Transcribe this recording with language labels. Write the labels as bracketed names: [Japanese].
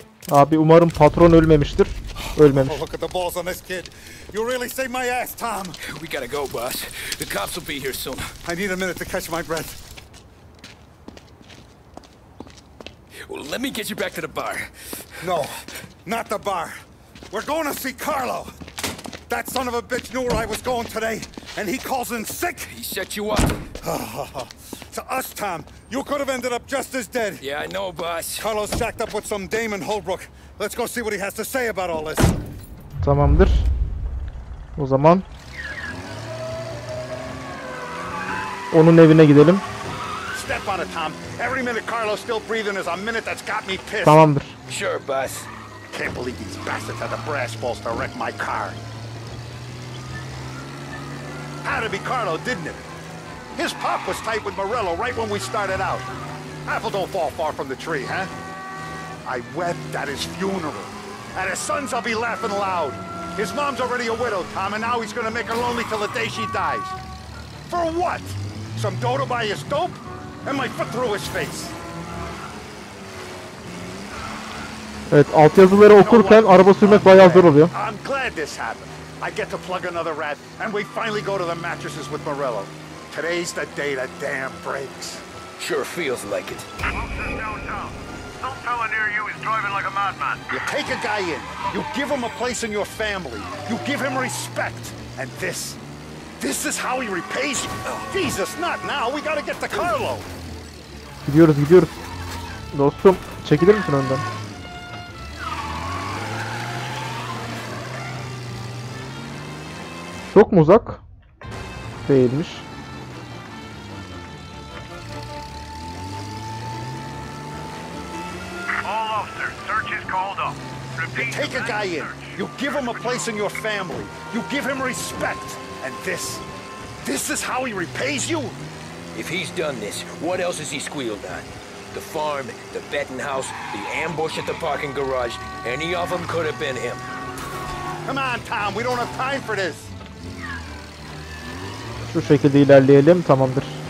[Turkish] Abi umarım patron ölmemiştir. Ölmemiş. [English] Look at the balls on this kid. You really saved my ass, Tom. We gotta go, boss. The cops will be here soon. I need a minute to catch my breath. Let me get you back to the bar. No, not the bar. We're going to see Carlo. That son of a bitch knew where I was going today, and he calls in sick. He set you up. To us, Tom, you could have ended up just as dead. Yeah, I know, boss. Carlo's jacked up with some dame in Holbrook. Let's go see what he has to say about all this. [Turkish] Tamamdır. O zaman onun evine gidelim. [English] Step on it, Tom. Every minute Carlo's still breathing is a minute that's got me pissed. [Turkish] Tamamdır. [English] Sure, boss. can't believe these bastards had the brass balls to wreck my car. Had to be Carlo, didn't it? His pop was tight with Morello right when we started out. Apple don't fall far from the tree, huh? I wept at his funeral. At his sons, I'll be laughing loud. His mom's already a widow, Tom, and now he's gonna make her lonely till the day she dies. For what? Some dough to buy his dope? And my foot through his face. [Turkish] Evet, altyazıları okurken araba sürmek bayağı zor oluyor. [English] I'm glad this happened. I get to plug another rat, and we finally go to the mattresses with Morello. Today's the day the dam breaks. Sure feels like it. Closest downtown. Some fella near you is driving like a madman. You take a guy in, you give him a place in your family, you give him respect, and this... this is how he repays you. Jesus, not now, we gotta get to Carlo. [Turkish] Gidiyoruz, gidiyoruz. Dostum, çekilir misin önden? Çok mu uzak? Değilmiş. [English] All officers, search is called up. You take a guy in. You give him a place in your family. You give him respect. And this... this is how he repays you? If he's done this, what else has he squealed on? The farm, the betting house, the ambush at the parking garage. Any of them could have been him. Come on, Tom. We don't have time for this. [Turkish] Şu şekilde ilerleyelim, tamamdır.